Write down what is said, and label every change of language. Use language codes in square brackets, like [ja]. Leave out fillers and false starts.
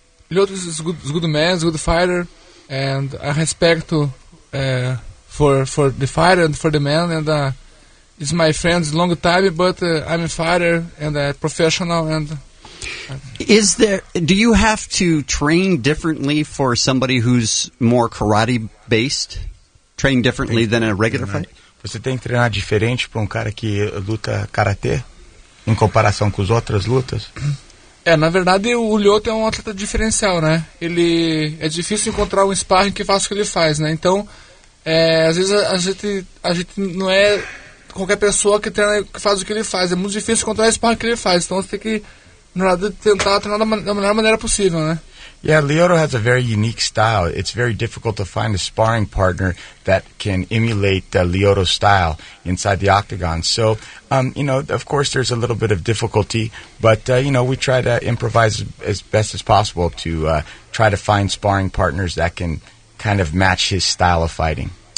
[en] Lyoto is a good man, good fighter, and I respect for the fighter and for the man, and he's my friend a long time, but I'm a fighter and a professional. And is there, do you have to train differently for somebody who's more karate based? Train differently than a regular fight? [pt] Você tem que treinar diferente para cara que luta karatê em comparação com as outras lutas? É, na verdade o Lyoto é um atleta diferencial, né? Ele é difícil encontrar um sparring que faça o que ele faz, né? Então, às vezes a gente não é qualquer pessoa que treina que faz o que ele faz. É muito difícil encontrar o sparring que ele faz. Então, você tem que tentar treinar da melhor maneira possível, né? [en] Yeah, Lyoto has a very unique style. It's very difficult to find a sparring partner that can emulate Lyoto's style inside the octagon. So, you know, of course there's a little bit of difficulty, but, you know, we try to improvise as best as possible to try to find sparring partners that can kind of match his style of fighting.